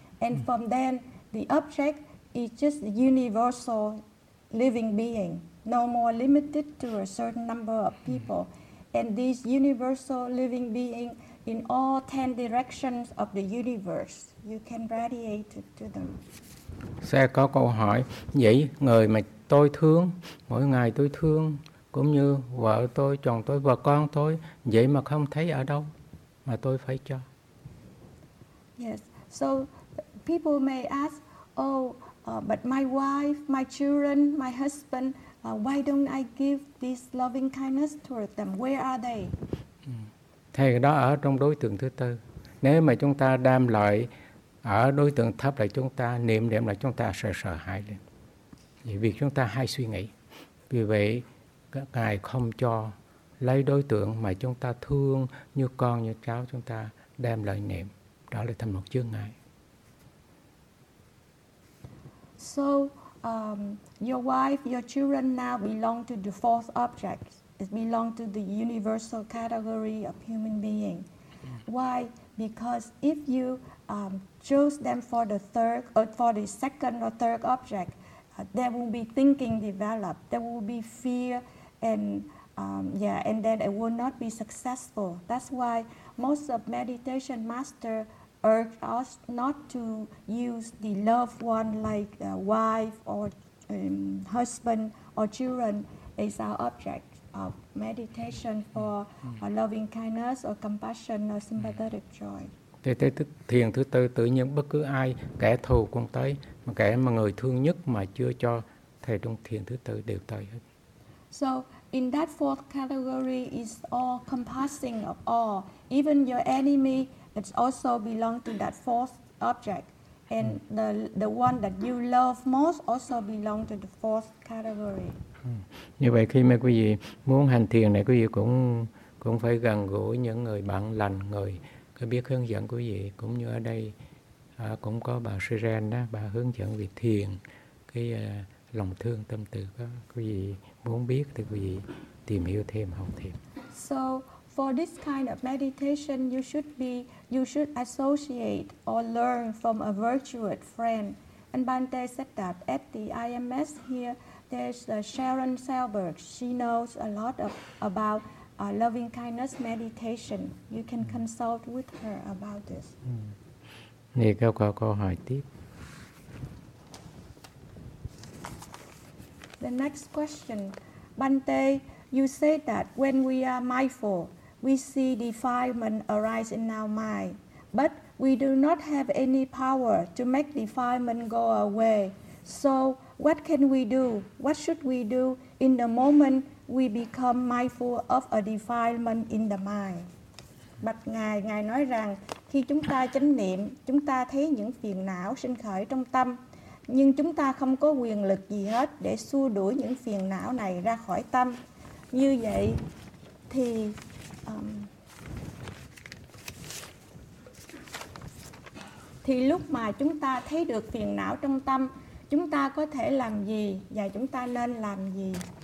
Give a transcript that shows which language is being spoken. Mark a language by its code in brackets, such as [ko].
[en] And from then, the object is just a universal living being, no more limited to a certain number of people. And this universal living being in all 10 directions of the universe, you can radiate to them. [vi] Sẽ có câu hỏi, vậy người mà tôi thương, mỗi ngày tôi thương, cũng như vợ tôi, chồng tôi, vợ con tôi, vậy mà không thấy ở đâu mà tôi phải cho. [en] Yes, so people may ask, but my wife, my children, my husband, why don't I give this loving kindness toward them? Where are they? [vi] Thì đó ở trong đối tượng thứ tư. Nếu mà chúng ta đam lợi ở đối tượng thấp là chúng ta niệm niệm là chúng ta sợ hãi lên. Vì việc chúng ta hay suy nghĩ. Vì vậy, các ngài không cho lấy đối tượng mà chúng ta thương như con, như cháu chúng ta đem lợi niệm. Đó là thành một chướng ngại. [en] So, your wife, your children now belong to the fourth object. It belongs to the universal category of human being. Why? Because if you choose them for the third, or for the second or third object, there will be thinking developed. There will be fear, and then it will not be successful. That's why most of meditation masters urge us not to use the loved one like a wife or husband or children as our object of meditation for loving kindness or compassion or sympathetic joy. [vi] Thiền thứ tư, tự nhiên bất cứ ai, kẻ thù cũng tới, mà kẻ mà người thương nhất mà chưa cho thầy trong thiền thứ tư đều tới hết. [en] So in that fourth category is all compassing of all, even your enemy, it also belong to that fourth object, and the one that you love most also belong to the fourth category. [vi] Như vậy khi mà quý vị muốn hành thiền này, quý vị cũng phải gần gũi những người bạn lành, người có biết hướng dẫn quý vị, cũng như ở đây cũng có bà Siren đó, bà hướng dẫn việc thiền, cái lòng thương tâm từ đó. Quý vị muốn biết thì quý vị tìm hiểu thêm, học thêm. [en] So for this kind of meditation, you should associate or learn from a virtuous friend. And Bhante said that at the IMS here, there's Sharon Selberg. She knows a lot about loving kindness meditation. You can consult with her about this. [vi] Nghe câu hỏi tiếp. [en] The next question, Bhante, you say that when we are mindful, we see defilement arise in our mind, but we do not have any power to make defilement go away. So what can we do? What should we do in the moment we become mindful of a defilement in the mind? [vi] Bạch Ngài, Ngài nói rằng khi chúng ta chánh niệm, chúng ta thấy những phiền não sinh khởi trong tâm, nhưng chúng ta không có quyền lực gì hết để xua đuổi những phiền não này ra khỏi tâm. Như vậy thì thì lúc mà chúng ta thấy được phiền não trong tâm, chúng ta có thể làm gì và chúng ta nên làm gì?